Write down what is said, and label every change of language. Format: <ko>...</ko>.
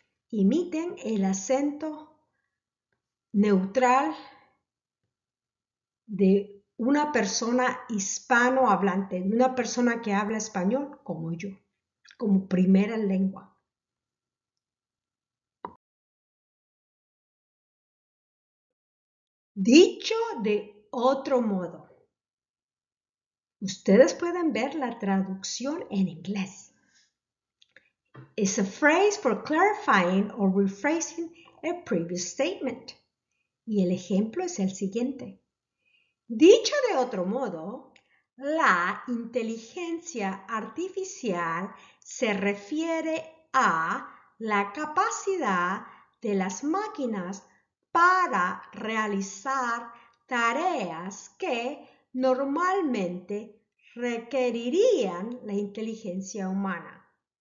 <es>Imiten el acento neutral de una persona hispanohablante, una persona que habla español como yo, como primera lengua. Dicho de otro modo, ustedes pueden ver la traducción en inglés.</es> <en>It's a phrase for clarifying or rephrasing a previous statement.</en> <es>Y el ejemplo es el siguiente. Dicho de otro modo, la inteligencia artificial se refiere a la capacidad de las máquinas para realizar tareas que normalmente requerirían la inteligencia humana.</es>